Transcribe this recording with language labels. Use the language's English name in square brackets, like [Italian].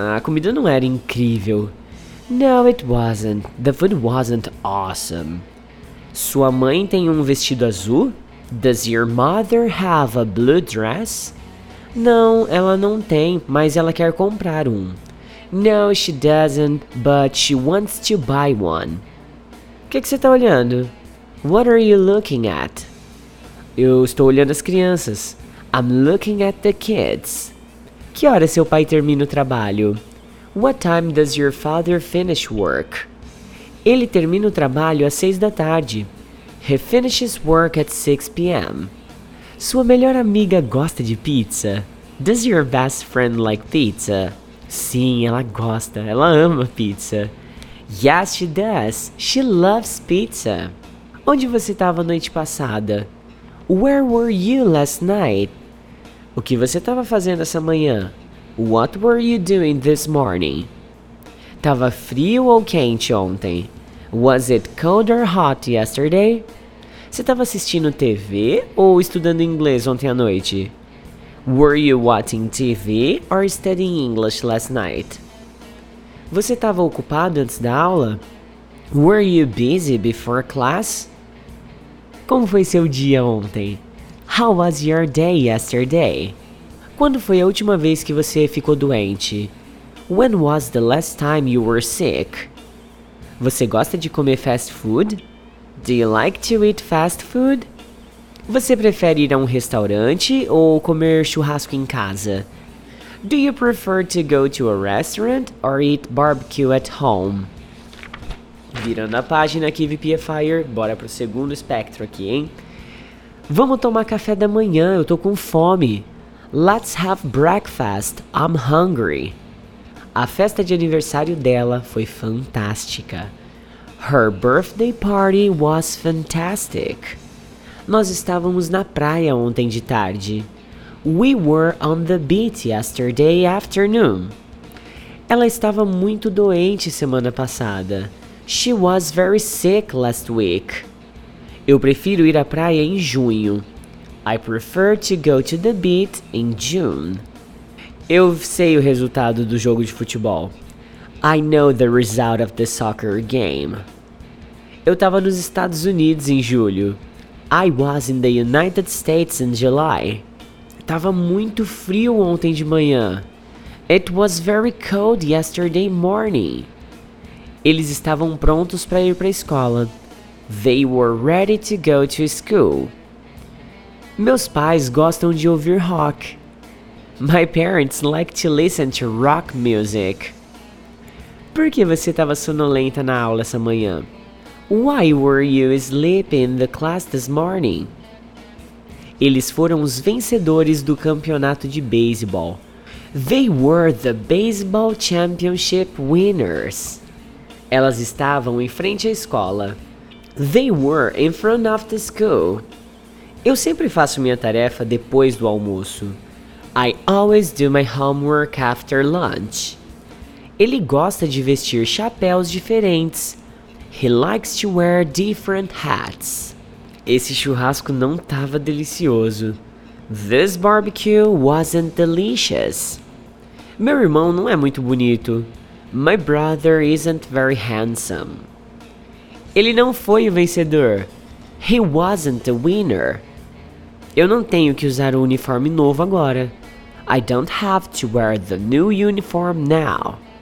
[Portuguese] A comida não era incrível. [English] No, it wasn't. The food wasn't awesome. [Portuguese] Sua mãe tem um vestido azul? [English] Does your mother have a blue dress? [Portuguese] Não, ela não tem, mas ela quer comprar um. [English] No, she doesn't, but she wants to buy one. [Portuguese] Que você tá olhando? [English] What are you looking at? [Portuguese] Eu estou olhando as crianças. [English] I'm looking at the kids. [Portuguese] Que hora seu pai termina o trabalho? [English] What time does your father finish work? [Portuguese] Ele termina o trabalho às 6 da tarde. [English] He finishes work at 6 p.m. [Portuguese] Sua melhor amiga gosta de pizza? [English] Does your best friend like pizza? [Portuguese] Sim, ela gosta. Ela ama pizza. [English] Yes, she does. She loves pizza. [Portuguese] Onde você estava a noite passada? [English] Where were you last night? [Portuguese] O que você estava fazendo essa manhã? [English] What were you doing this morning? [Portuguese] Tava frio ou quente ontem? [English] Was it cold or hot yesterday? [Portuguese] Você estava assistindo TV ou estudando inglês ontem à noite? [English] Were you watching TV or studying English last night? [Portuguese] Você estava ocupado antes da aula? [English] Were you busy before class? [Portuguese] Como foi seu dia ontem? [English] How was your day yesterday? [Portuguese] Quando foi a última vez que você ficou doente? When was the last time you were sick? Você gosta de comer fast food? [English] Do you like to eat fast food? [Portuguese] Você prefere ir a um restaurante ou comer churrasco em casa? [English] Do you prefer to go to a restaurant or eat barbecue at home? [Portuguese] Virando a página aqui, VPFire, bora pro segundo espectro aqui, hein? Vamos tomar café da manhã, eu tô com fome. [English] Let's have breakfast, I'm hungry. [Portuguese] A festa de aniversário dela foi fantástica. [English] Her birthday party was fantastic. [Portuguese] Nós estávamos na praia ontem de tarde. [English] We were on the beach yesterday afternoon. [Portuguese] Ela estava muito doente semana passada. [English] She was very sick last week. [Portuguese] Eu prefiro ir à praia em junho. [English] I prefer to go to the beach in June. [Portuguese] Eu sei o resultado do jogo de futebol. [English] I know the result of the soccer game. [Portuguese] Eu estava nos Estados Unidos em julho. [English] I was in the United States in July. [Portuguese] Tava muito frio ontem de manhã. [English] It was very cold yesterday morning. [Portuguese] Eles estavam prontos para ir para a escola. [English] They were ready to go to school. [Portuguese] Meus pais gostam de ouvir rock. [English] My parents like to listen to rock music. [Portuguese] Por que você estava sonolenta na aula essa manhã? [English] Why were you sleeping in the class this morning? [Portuguese] Eles foram os vencedores do campeonato de beisebol. [English] They were the baseball championship winners. [Portuguese] Elas estavam em frente à escola. [English] They were in front of the school. [Portuguese] Eu sempre faço minha tarefa depois do almoço. [English] I always do my homework after lunch. [Portuguese] Ele gosta de vestir chapéus diferentes. [English] He likes to wear different hats. [Portuguese] Esse churrasco não estava delicioso. [English] This barbecue wasn't delicious. [Portuguese] Meu irmão não é muito bonito. [English] My brother isn't very handsome. [Portuguese] Ele não foi o vencedor. [English] He wasn't the winner. [Portuguese] Eu não tenho que usar o uniforme novo agora. [English] I don't have to wear the new uniform now.